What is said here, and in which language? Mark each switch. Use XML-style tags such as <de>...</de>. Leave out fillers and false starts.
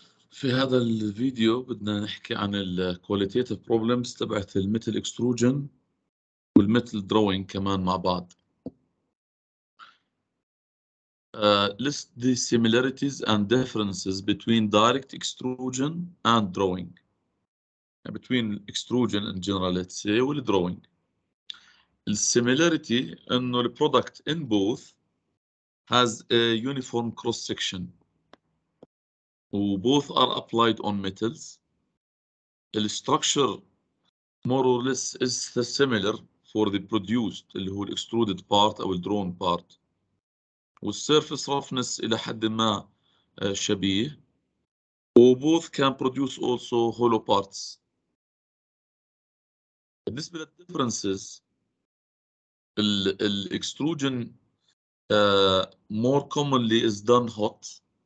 <ar>في هذا الفيديو بدنا نحكي عن الكواليتيتيف بروبلمز تبعت الميتل اكستروجن والميتل دروينج كمان مع بعض.</ar> <en>List the similarities and differences between direct extrusion and drawing. Between extrusion in general, let's say, والدروينج. Similarity انه the product in both has a uniform cross section. Both are applied on metals. The structure more or less is similar for the produced,</en> <ar>اللي هو</ar> <en>extruded part or drawn part.</en> <ar>والsurface roughness إلى حد ما شبيه.</ar> <en>Both can produce also hollow parts. بالنسبة للdifferences, الextrusion more commonly is done hot.</en>